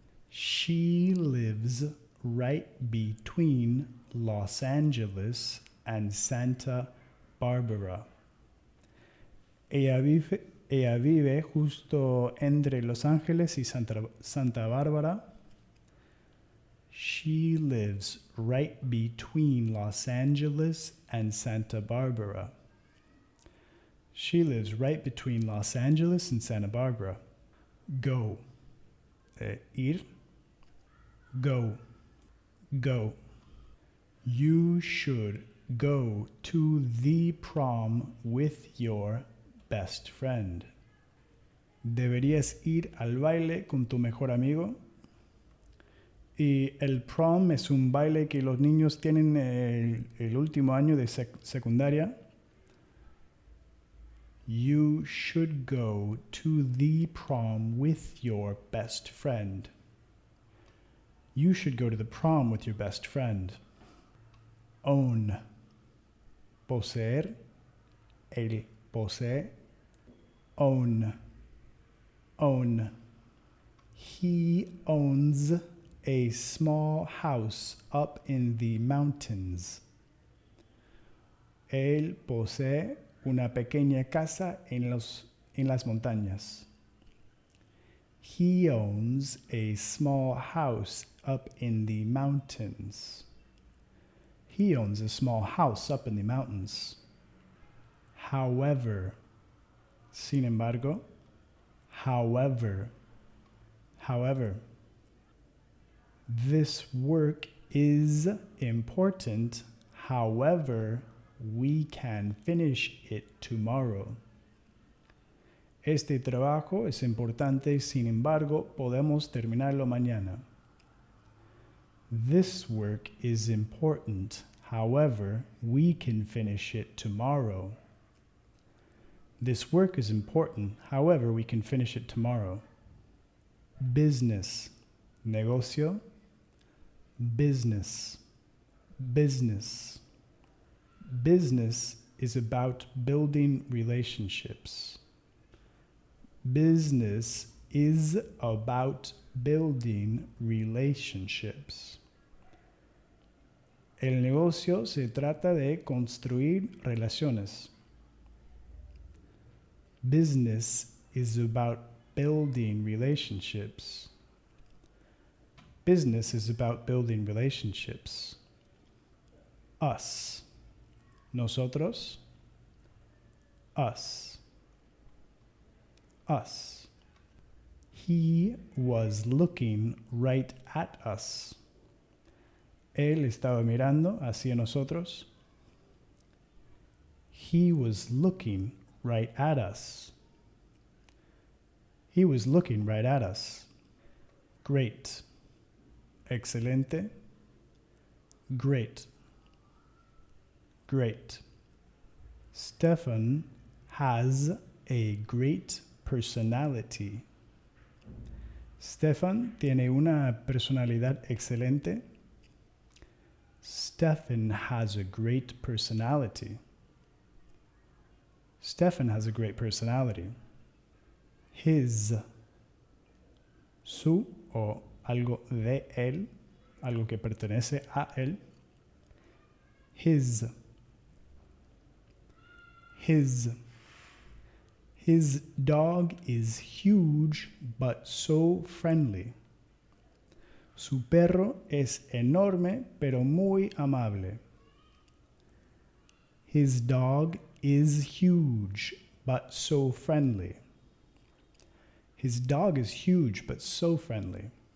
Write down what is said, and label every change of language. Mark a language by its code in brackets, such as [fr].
[en] She lives right between Los Angeles and Santa Barbara. [es] Ella vive justo entre Los Ángeles y Santa Bárbara. [en] She lives right between Los Angeles and Santa Barbara. She lives right between Los Angeles and Santa Barbara. Go. [es] Ir. [en] Go. Go. You should go to the prom with your best friend. [es] deberías ir al baile con tu mejor amigo. Y el prom es un baile que los niños tienen el último año de secundaria. [en] You should go to the prom with your best friend. You should go to the prom with your best friend. Own. [es] Poseer. Él posee. [en] Own. Own. He owns a small house up in the mountains. [es] Él posee una pequeña casa en las montañas. [en] He owns a small house up in the mountains. He owns a small house up in the mountains. However, [es] sin embargo, [en] however, however, this work is important. However, we can finish it tomorrow. [es] Este trabajo es importante, sin embargo, podemos terminarlo mañana. [en] This work is important. However, we can finish it tomorrow. This work is important. However, we can finish it tomorrow. Business. [es] Negocio. [en] Business. Business. Business is about building relationships. Business is about building relationships. [es] El negocio se trata de construir relaciones. [en] Business is about building relationships. Business is about building relationships. Us. [es] Nosotros. [en] Us. Us. He was looking right at us. [es] Él estaba mirando hacia nosotros. [en] He was looking right at us. He was looking right at us. Great. [es] Excelente. [en] Great. Great. Stefan has a great personality. [es] Stefan tiene una personalidad excelente. [en] Stefan has a great personality. Stefan has a great personality. His. [es] Su o algo de él, algo que pertenece a él. [en] His. His. His dog is huge, but so friendly. [es] Su perro es enorme, pero muy amable. [en] His dog is huge, but so friendly. His dog is huge, but so friendly.